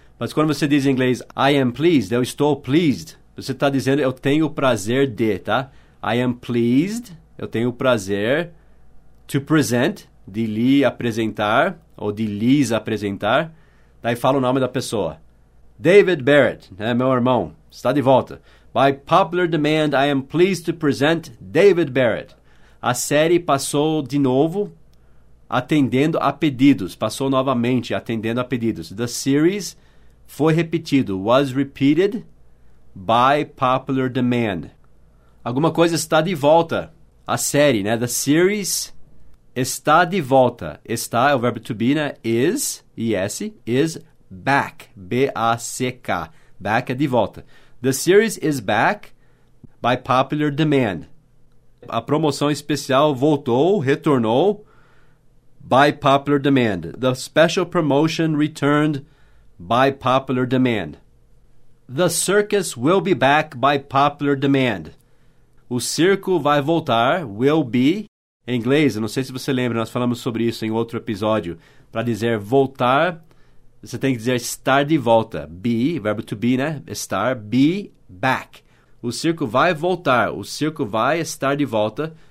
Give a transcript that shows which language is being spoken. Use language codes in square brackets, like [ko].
[pt] Mas quando você diz em inglês, [en] I am pleased, [pt] eu estou pleased, você está dizendo, eu tenho o prazer de, tá? [en] I am pleased, [pt] eu tenho o prazer [en] to present, [pt] de lhe apresentar, ou de lhes apresentar. Daí fala o nome da pessoa. David Barrett, né, meu irmão, está de volta. [en] By popular demand, I am pleased to present David Barrett. [pt] A série passou de novo atendendo a pedidos. Passou novamente atendendo a pedidos. [en] The series [pt] foi repetido. [en] Was repeated by popular demand. [pt] Alguma coisa está de volta. A série, né? [en] The series [pt] está de volta. Está é o verbo to be, né? Is, E-S, [en] is back. [pt] B-A-C-K. Back é de volta. [en] The series is back by popular demand. [pt] A promoção especial voltou, retornou, [en] by popular demand. The special promotion returned by popular demand. The circus will be back by popular demand. [pt] O circo vai voltar, [en] will be. [pt] Em inglês, não sei se você lembra, nós falamos sobre isso em outro episódio. Para dizer voltar, você tem que dizer estar de volta. Be, verbo to be, né? Estar, [en] be back. [pt] O circo vai voltar, o circo vai estar de volta.